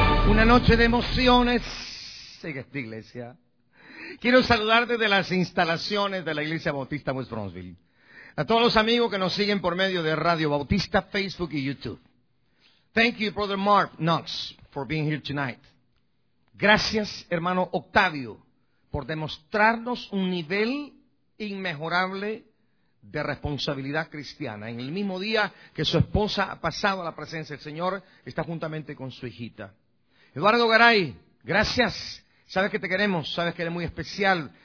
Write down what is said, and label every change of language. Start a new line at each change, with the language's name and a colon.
Spanish: Una noche de emociones en esta iglesia. Quiero saludar desde las instalaciones de la Iglesia Bautista West Brownsville a todos los amigos que nos siguen por medio de Radio Bautista, Facebook y YouTube.
English: Thank you, Brother Mark Knox, for being here tonight.
Spanish: Gracias, hermano Octavio, por demostrarnos un nivel inmejorable de responsabilidad cristiana. En el mismo día que su esposa ha pasado a la presencia del Señor, está juntamente con su hijita. Eduardo Garay, gracias. Sabes que te queremos, sabes que eres muy especial.